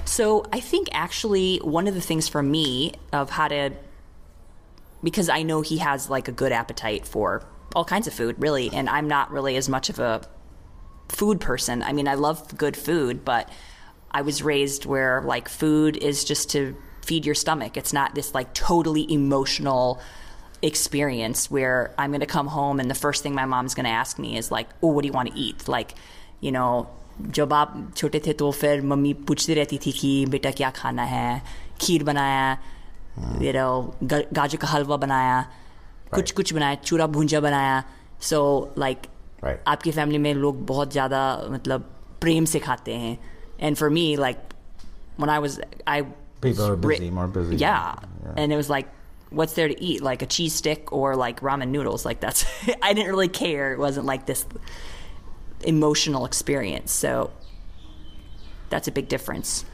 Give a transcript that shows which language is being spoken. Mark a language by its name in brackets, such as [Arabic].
[English] So I think actually one of the things for me of how to, because I know he has like a good appetite for all kinds of food, really, and I'm not really as much of a food person. I mean, I love good food, but I was raised where like food is just to feed your stomach. It's not this like totally emotional experience where I'm going to come home and the first thing my mom's going to ask me is like, oh, what do you want to eat? Like, you know, [Hindi] जब आप छोटे थे तो फिर mummy पूछती रहती थी कि बेटा क्या खाना है, खीर बनाया, you know, गाजर का हलवा बनाया, कुछ कुछ बनाया, चूरा भुंजा बनाया. [English] So like, right. [Hindi] आपके फैमिली में लोग बहुत ज़्यादा मतलब प्रेम से खाते हैं. [English] And for me, like, when I people are busy, more busy. Yeah. And it was like, what's there to eat? Like a cheese stick or like ramen noodles? Like that's, I didn't really care. It wasn't like this emotional experience. So that's a big difference.